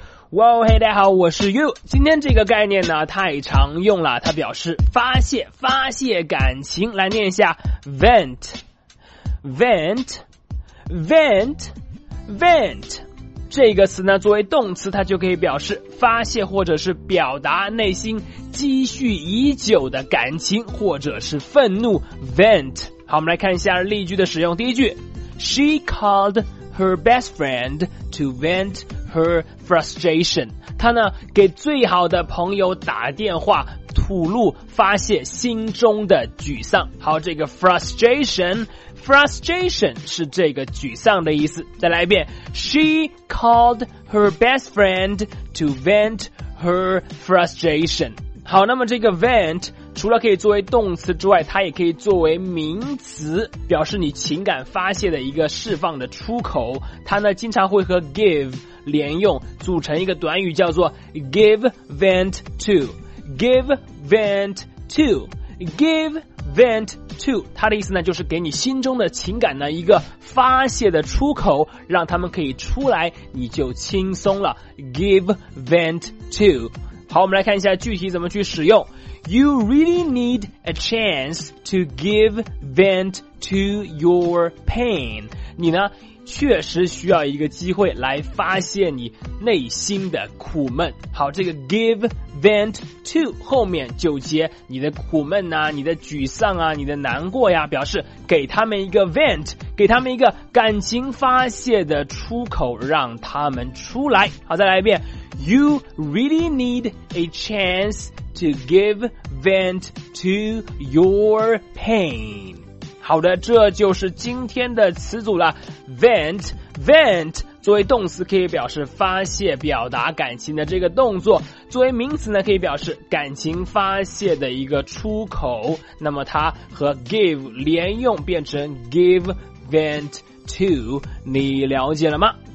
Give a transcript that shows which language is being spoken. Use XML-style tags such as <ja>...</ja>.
<zh>哇嘿，大家好，我是 You。今天这个概念呢太常用了，它表示发泄感情。来念一下 vent vent vent vent。这个词呢作为动词，它就可以表示发泄或者是表达内心积蓄已久的感情或者是愤怒， vent。好，我们来看一下例句的使用。第一句，</zh> <en>She called her best friend to vent her frustration。</en> <zh>她呢给最好的朋友打电话吐露发泄心中的沮丧。好，这个 frustration 是这个沮丧的意思。再来一遍，</zh> <en>She called her best friend to vent her frustration。</en> <zh>好，那么这个 vent 除了可以作为动词之外，它也可以作为名词，表示你情感发泄的一个释放的出口。它呢经常会和 give 连用，组成一个短语叫做 give vent to。 Give vent to, give vent to, 它的意思呢就是给你心中的情感呢一个发泄的出口，让他们可以出来你就轻松了。 Give vent to。好，我们来看一下具体怎么去使用。</zh> <en>You really need a chance to give vent to your pain。</en> <zh>你呢确实需要一个机会来发泄你内心的苦闷。好，这个</zh> <en>give vent to</en> <zh>后面就接你的苦闷啊，你的沮丧啊，你的难过呀，表示给他们一个 vent， 给他们一个感情发泄的出口，让他们出来。好，再来一遍，</zh> <en>You really need a chance to give vent to your pain。</en> <zh>好的，这就是今天的词组了。vent 作为动词可以表示发泄表达感情的这个动作，作为名词呢可以表示感情发泄的一个出口。那么它和 give 连用变成</zh> <en>give vent to，</en> <zh>你了解了吗？</zh>